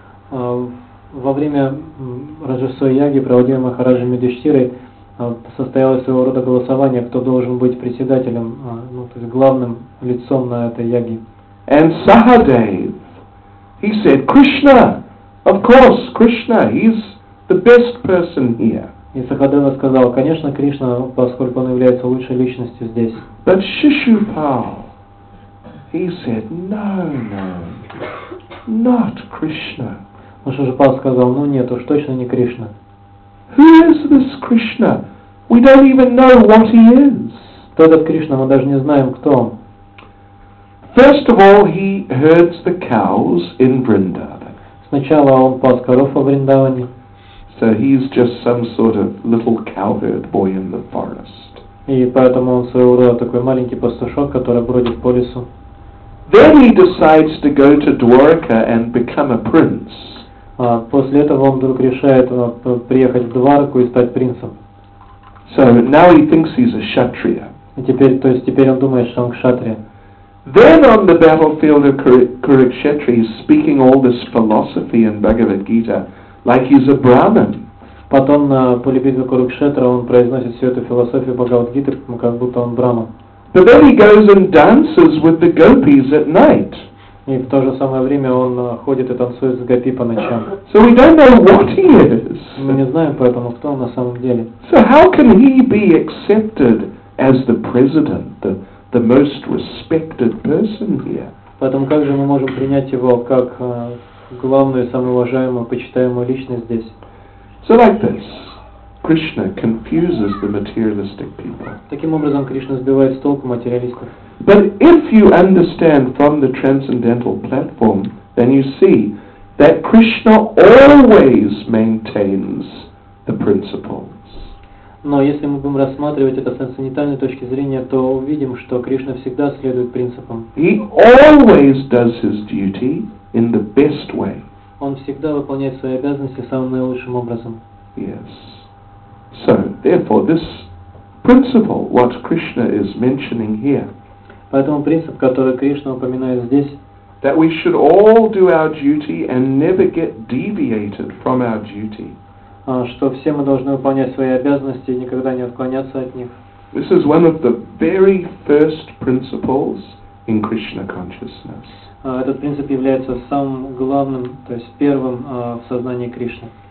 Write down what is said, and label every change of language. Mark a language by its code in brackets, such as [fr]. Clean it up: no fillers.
[ru] Во время Rajasuya Yajna, проводимого Махараджем Юдхиштхирой, состоялось своего рода голосование, кто должен быть председателем, ну, то есть главным лицом на этой яге. [en] And Sahadev, he said, Krishna, of course, Krishna, he's the best person here. [ru] И Сахадева сказал, конечно, Кришна, поскольку он является лучшей личностью здесь. [en] But Shishupal, he said, no, not Krishna. [ru] Но Шишупал сказал, ну нет, уж точно не Кришна. [en] Who is this Krishna? We don't even know what he is. [ru] Кто этот Кришна? Мы даже не знаем, кто он. [en] First of all, he herds the cows in Vrindavan. [ru] Сначала он пас коров во Вриндаване. [en] So he's just some sort of little cowherd boy in the forest. [ru] И поэтому он своего рода такой маленький пастушок, который бродит по лесу. [en] Then he decides to go to Dwarka and become a prince. [ru] После этого он вдруг решает приехать в Дварку и стать принцем. [en] So now he thinks he's a kshatriya. [ru] Теперь он думает, что он кшатрия. [en] Then on the battlefield of Kurukshetra, he's speaking all this philosophy in Bhagavad Gita, like he's a brahmin. [ru] Потом на поле битвы Курукшетра он произносит всю эту философию Бхагавад Гиты, как будто он брахман. [en] But then he goes and dances with the gopis at night. [ru] И в то же самое время он ходит и танцует с Гопи по ночам. [en] So we don't know what he is. [ru] Мы не знаем поэтому, кто он на самом деле. [en] So how can he be accepted as the president, the most respected person here? [ru] Поэтому как же мы можем принять его как главную, самую уважаемую, почитаемую личность здесь? [en] So like this. Krishna confuses the materialistic people. [ru] Таким образом, Кришна сбивает с толку материалистов. [en] But if you understand from the transcendental platform, then you see that Krishna always maintains the principles. [ru] Но если мы будем рассматривать это с трансцендентальной точки зрения, то увидим, что Кришна всегда следует принципам. [en] He always does his duty in the best way. [ru] Он всегда выполняет свои обязанности самым наилучшим образом. [en] Yes. So, therefore, this principle, what Krishna is mentioning here, [ru] поэтому принцип, который Кришна упоминает здесь, [en] that we should all do our duty and never get deviated from our duty, [ru] что все мы должны выполнять свои обязанности и никогда не отклоняться от них. [en] This is one of the very first principles in Krishna consciousness. [ru] Этот принцип является самым главным, то есть первым в сознании Кришны.